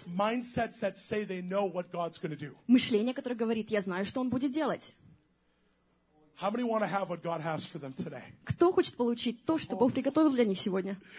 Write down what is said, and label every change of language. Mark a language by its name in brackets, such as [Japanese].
[English] Mindsets that say they know what God's going to do. [Russian] Мышление, которое говорит, я знаю, что Он будет делать. [English] How many want to have what God has for them today? [Russian] Кто хочет получить то, что Бог приготовил для них сегодня?